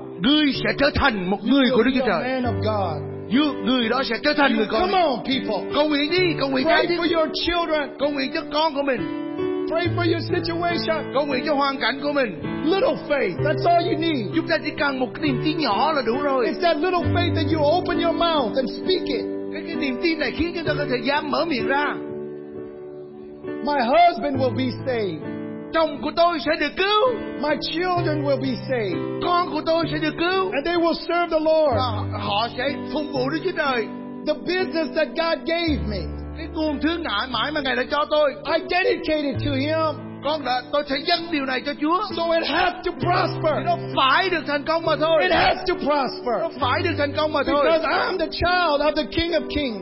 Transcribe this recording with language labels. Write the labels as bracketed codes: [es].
[vi] Ngươi sẽ trở thành một người của Đức Chúa Trời. [en] You, [vi] người đó sẽ trở thành người con. [en] Come on, people. [vi] Cầu nguyện đi, cầu nguyện [en] pray for your children. [vi] Cầu nguyện cho con của mình. [en] Pray for your situation. [vi] Cầu nguyện cho hoàn cảnh của mình. [en] Little faith, that's all you need. [vi] Chúng ta chỉ cần một niềm tin nhỏ là đủ rồi. [en] It's that little faith that you open your mouth and speak it. [vi] Cái niềm tin này khiến chúng ta có thể dám mở miệng ra. [en] My husband will be saved. [vi] Chồng của tôi sẽ được cứu. [en] My children will be saved. [vi] Con của tôi sẽ được cứu. [en] And they will serve the Lord. [vi] Họ sẽ phục vụ Đức Chúa Trời. [en] The business that God gave me. [vi] Cái nguồn thứ ngại mãi mà Ngài đã cho tôi. [en] I dedicated to Him. [vi] Con đã, tôi sẽ dâng điều này cho Chúa. [en] So it has to prosper. [vi] Nó phải được thành công mà thôi. [en] It has to prosper. [vi] Nó phải được thành công mà thôi. [en] Because I'm the child of the King of Kings.